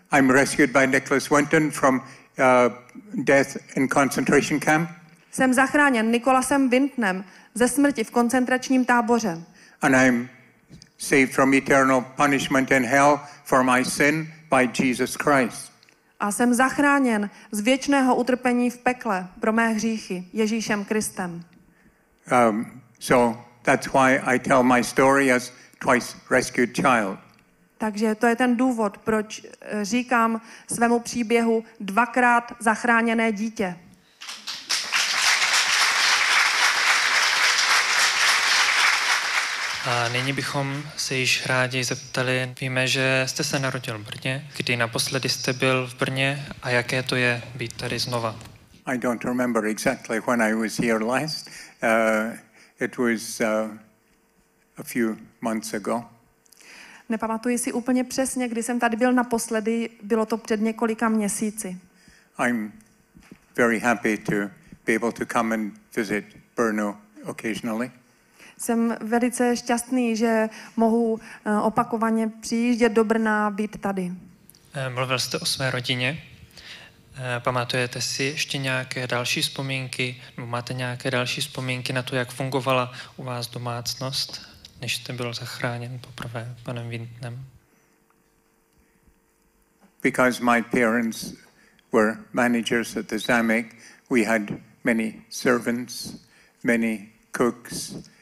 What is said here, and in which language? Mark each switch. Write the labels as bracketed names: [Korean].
[English] I'm rescued by Nicholas Winton from death in concentration camp. [Czech] Jsem zachráněn Nicholasem Wintonem ze smrti v koncentračním táboře. [English] And I'm saved from eternal punishment in hell for my sin by Jesus Christ. [Czech] A jsem zachráněn z věčného utrpení v pekle pro mé hříchy Ježíšem Kristem. [English] So that's why I tell my story as twice rescued child. [Czech] Takže to je ten důvod, proč říkám svému příběhu dvakrát zachráněné dítě. A nyní bychom se již rádi zeptali, víme, že jste se narodil v Brně. Kdy naposledy jste byl v Brně a jaké to je být tady znova? [English] I don't remember exactly when I was here last. It was a few months ago. [Czech] Nepamatuji si úplně přesně, kdy jsem tady byl naposledy. Bylo to před několika měsíci. [English] I'm very happy to be able to come and visit Brno occasionally. [Czech] Jsem velice šťastný, že mohu opakovaně přijíždět do Brna a být tady. Mluvil jste o své rodině. Pamatujete si ještě nějaké další vzpomínky, nebo máte nějaké další vzpomínky na to, jak fungovala u vás domácnost, než jste byl zachráněn poprvé panem Wintonem? [English] Because my parents were managers at the Zamek, we had many servants, many cooks.